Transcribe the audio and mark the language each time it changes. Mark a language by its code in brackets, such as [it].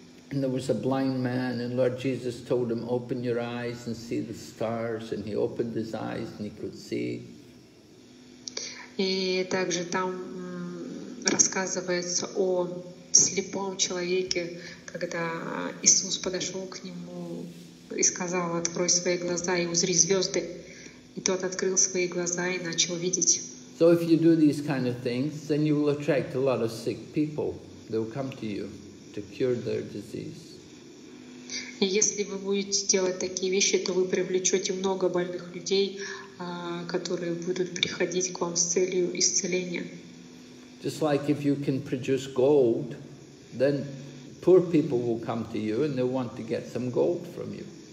[en] And there was a blind man, and Lord Jesus told him, open your eyes and see the stars. And he opened his eyes and he could see. [ru] И также там рассказывается о слепом человеке, когда Иисус подошел к нему и сказал, открой свои глаза и узри звезды. И тот открыл свои глаза и начал видеть. [en] So if you do these kind of things, then you will attract a lot of sick people. They will come to you to cure their disease. [ru] Если вы будете делать такие вещи, то вы привлечете много больных людей, которые будут приходить к вам с целью исцеления. [en] Just like if you can produce gold, then poor people will come to you and they want to get some gold from you.